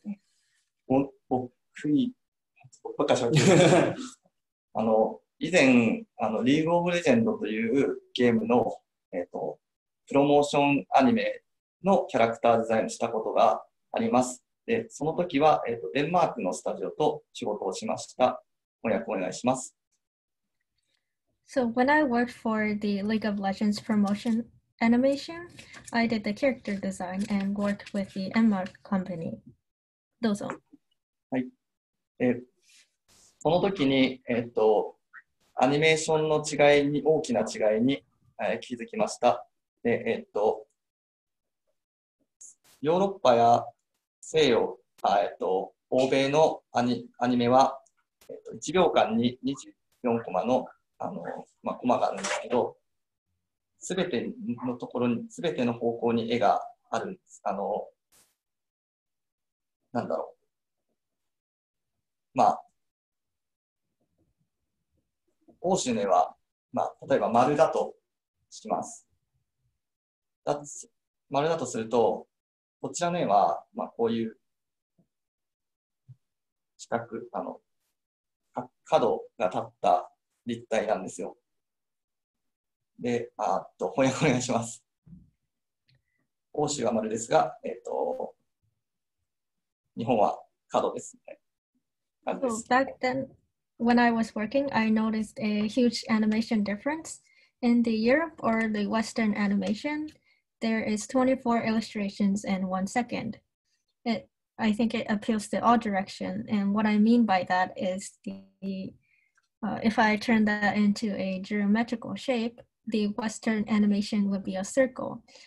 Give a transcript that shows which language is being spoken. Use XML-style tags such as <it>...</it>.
<ja>はい、僕にばっかしゃべって以前リーグオブレジェンドというゲームのプロモーションアニメのキャラクターデザインをしたことがあります。で、その時は、デンマークのスタジオと仕事をしました。翻訳お願いします。</ja> <en>So when I worked for the League of Legends promotion animation, I did the character design and worked with the Denmark company.</en> <ja>どうぞ。はい。その時に、アニメーションの違いに、大きな違いに、気づきました。で、ヨーロッパや西洋、欧米のアニメは、1秒間に24コマの、まあ、コマがあるんですけど、すべてのところに、すべての方向に絵があるんです。なんだろう。まあ、欧州の絵は、まあ、例えば丸だとします。丸だとすると、こちらの絵は、まあ、こういう四角、角が立った立体なんですよ。で、翻訳お願いします。欧州は丸ですが、日本は角ですね。</ja> <en>So back then, when I was working, I noticed a huge animation difference. In the Europe or the Western animation, there is 24 illustrations in 1 second. I think it appeals to all direction. And what I mean by that is if I turn that into a geometrical shape, the Western animation would be a circle.</en>